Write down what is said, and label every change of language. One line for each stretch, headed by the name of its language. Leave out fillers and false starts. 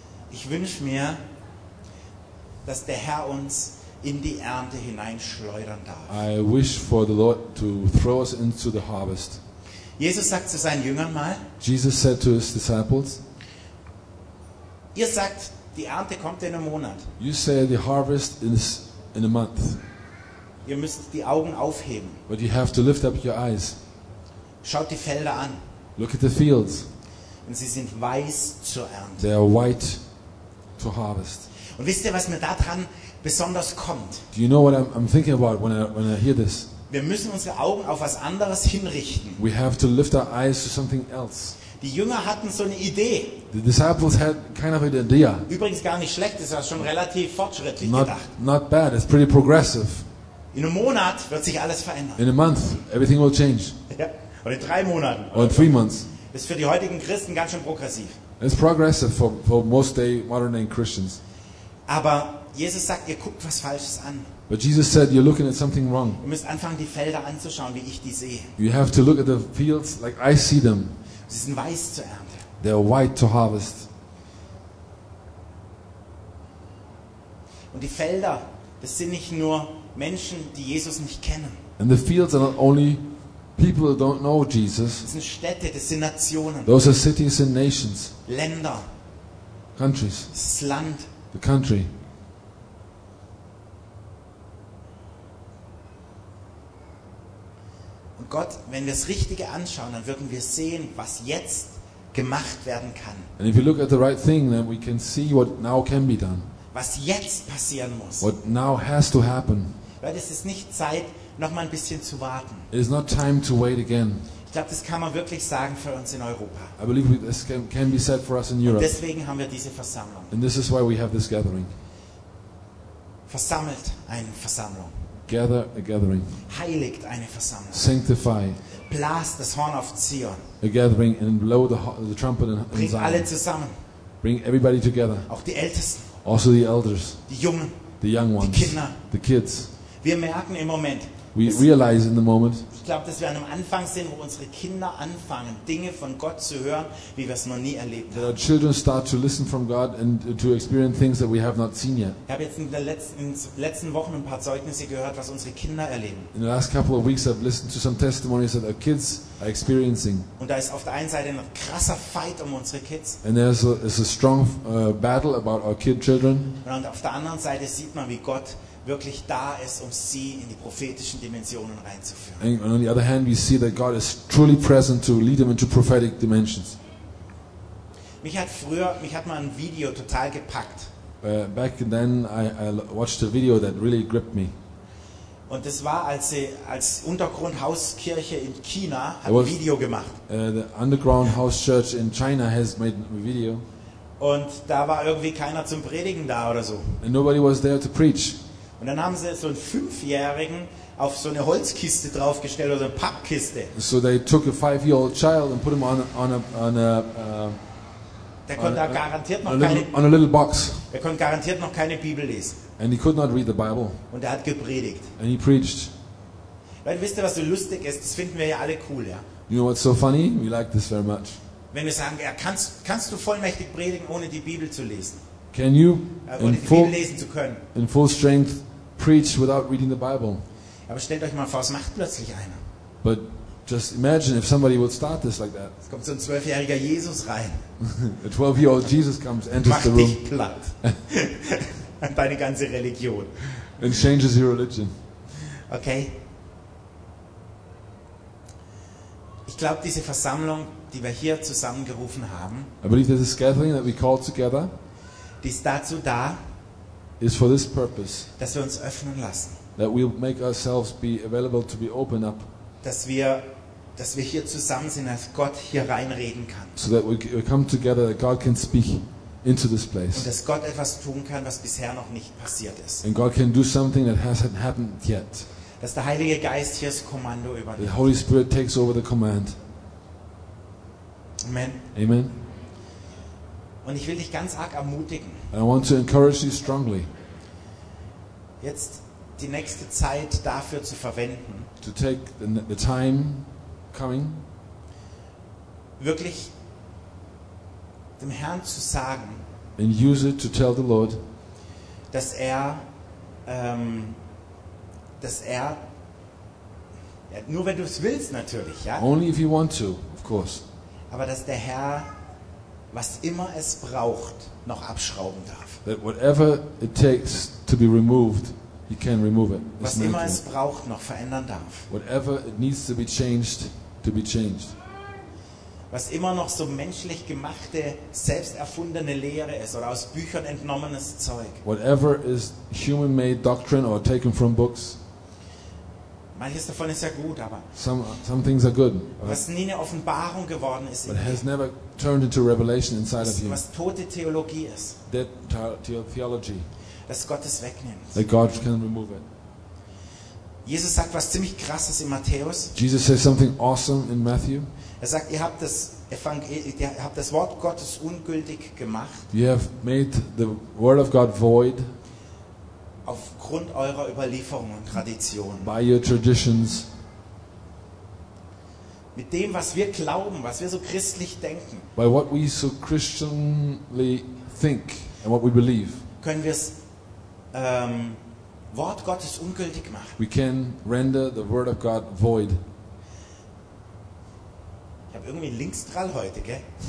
German: Ich wünsche mir, dass der Herr uns in die Ernte hineinschleudern darf.
English: I wish for the Lord to throw us into the harvest.
German: Jesus sagt zu seinen Jüngern mal.
English: Jesus said to his disciples.
German: Ihr sagt, die Ernte kommt in einem Monat.
English: You say the harvest is in a month.
German: Ihr müsst die Augen aufheben.
English: But you have to lift up your eyes.
German: Schaut die Felder an.
English: Look at the fields.
German: Und sie sind weiß zur Ernte.
English: They are white to harvest.
German: Und wisst ihr, was mir daran besonders kommt?
English: Do you know what I'm thinking about when I hear this?
German: Wir müssen unsere Augen auf was anderes hinrichten.
English: We have to lift our eyes to something else.
German: Die Jünger hatten so eine Idee.
English: The disciples had kind of an idea.
German: Übrigens gar nicht schlecht, das ist schon relativ fortschrittlich gedacht.
English: Not bad, it's pretty progressive.
German: In einem Monat wird sich alles verändern.
English: In a month, everything will change.
German: Ja. Oder in 3 Monaten.
English: Or in 3 months.
German: Das ist für die heutigen Christen ganz schön progressiv.
English: It's progressive for most day modern day Christians.
German: Aber Jesus sagt, ihr guckt was Falsches an.
English: But Jesus said, you're looking at something wrong.
German: Ihr müsst anfangen, die Felder anzuschauen, wie ich die sehe.
English: You have to look at the fields like I see them.
German: Sie sind weiß zur Ernte.
English: They're white to harvest.
German: Und die Felder, das sind nicht nur Menschen, die Jesus nicht kennen.
English: And the fields are not only people who don't know Jesus.
German: Das sind Städte, das sind Nationen.
English: Those are cities and nations.
German: Länder.
English: Countries.
German: Das Land.
English: The country.
German: Und Gott, wenn wir es Richtige anschauen, dann würden wir sehen, was jetzt gemacht werden kann.
English: And if you look at the right thing, then we can see what now can be done.
German: Was jetzt passieren muss.
English: What now has to happen.
German: Weil es ist nicht Zeit, noch mal ein bisschen zu warten.
English: It is not time to wait again.
German: Ich glaube, das kann man wirklich sagen für uns in Europa.
English: I believe this can be said for us in Europe.
German: Und deswegen haben wir diese Versammlung.
English: And this is why we have this gathering.
German: Versammelt eine Versammlung.
English: Gather a gathering.
German: Heiligt eine Versammlung.
English: Sanctify.
German: Blast das Horn auf Zion.
English: A gathering and blow the trumpet in Zion.
German: Bring alle zusammen.
English: Bring everybody together.
German: Auch die Ältesten.
English: Also the elders.
German: Die Jungen.
English: The young ones.
German: Die Kinder.
English: The kids.
German: Wir merken im Moment.
English: We realize in the moment.
German: Ich glaube, dass wir an einem Anfang sind, wo unsere Kinder anfangen, Dinge von Gott zu hören, wie wir es noch nie erlebt haben.
English: That our children start to listen from God and to experience things that we have not seen yet.
German: Ich habe jetzt in den letzten Wochen ein paar Zeugnisse gehört, was unsere Kinder erleben.
English: In the last couple of weeks, I've listened to some testimonies that our kids are experiencing.
German: Und da ist auf der einen Seite ein krasser Fight um unsere Kids.
English: And there's a strong battle about our children.
German: Und auf der anderen Seite sieht man, wie Gott wirklich da ist, um sie in die prophetischen Dimensionen reinzuführen.
English: And on the other hand, we see that God is truly present to lead them into prophetic dimensions.
German: Mich hat mal ein Video total gepackt.
English: Back then, I watched a video that really gripped me.
German: Und das war, als sie als Untergrundhauskirche in China hat ein Video gemacht.
English: The underground house church in China has made a video.
German: Und da war irgendwie keiner zum Predigen da oder so.
English: And nobody was there to preach.
German: Und dann haben sie so einen 5-Jährigen auf so eine Holzkiste draufgestellt oder eine Pappkiste.
English: So they took a 5-year-old child and put him on a
German: der konnte da garantiert noch
English: on a little box.
German: Er konnte garantiert noch keine Bibel lesen.
English: And he could not read the Bible.
German: Und er hat gepredigt.
English: And he preached.
German: Weil, wisst ihr, was so lustig ist? Das finden wir ja alle cool, ja.
English: You know what's so funny? We like this very much.
German: Wenn wir sagen, ja, kannst du vollmächtig predigen, ohne die Bibel zu lesen?
English: Can you in full strength preach without reading the Bible?
German: Aber stellt euch mal vor, es macht plötzlich einer.
English: But just imagine if somebody would start this like that.
German: Es kommt so ein 12-jähriger Jesus rein.
English: A 12-year-old Jesus comes, enters the room.
German: Macht dich platt. Und deine ganze Religion.
English: And changes your religion. Okay.
German: Ich glaube, diese Versammlung, die wir hier zusammengerufen haben,
English: I believe there's this gathering that we call together.
German: Die ist dazu da,
English: is for this purpose,
German: dass wir uns öffnen lassen.
English: That we make ourselves be available to be open up.
German: Dass wir hier zusammen sind, dass Gott hier reinreden kann.
English: So that we come together, that God can speak into this place.
German: Und dass Gott etwas tun kann, was bisher noch nicht passiert ist.
English: And God can do something that hasn't happened yet.
German: Dass der Heilige Geist hier das Kommando übernimmt.
English: The Holy Spirit takes over the command.
German: Amen.
English: Amen.
German: Und ich will dich ganz arg ermutigen.
English: I want to encourage you strongly.
German: Jetzt die nächste Zeit dafür zu verwenden.
English: To take the time coming.
German: Wirklich dem Herrn zu sagen.
English: And use it to tell the Lord.
German: Dass er dass er ja, nur wenn du es willst natürlich, ja.
English: Only if you want to, of course.
German: Aber dass der Herr, was immer es braucht, noch abschrauben darf.
English: That whatever it takes to be removed, he can remove it.
German: Was immer es braucht, noch verändern darf.
English: Whatever it needs to be changed, to be changed.
German: Was immer noch so menschlich gemachte, selbst erfundene Lehre ist oder aus Büchern entnommenes Zeug.
English: Whatever is human-made doctrine or taken from books.
German: Manches davon ist ja gut, aber
English: some things are good.
German: Was nie eine Offenbarung geworden ist.
English: But has never turned into revelation inside of you.
German: Was tote Theologie ist.
English: Dead theology.
German: Dass Gott es wegnimmt.
English: That God can remove it.
German: Jesus sagt was ziemlich krasses in Matthäus.
English: Jesus says something awesome in Matthew.
German: Er sagt, ihr habt das Evangelium, ihr habt das Wort Gottes ungültig gemacht.
English: You have made the word of God void.
German: Aufgrund eurer Überlieferungen und Traditionen.
English: By your traditions.
German: Mit dem, was wir glauben, was wir so christlich denken.
English: By what we so Christianly think and what we believe.
German: Können wir das Wort Gottes ungültig machen.
English: We can render the word of God void.
German: Ich habe irgendwie einen Linksdrall heute, gell?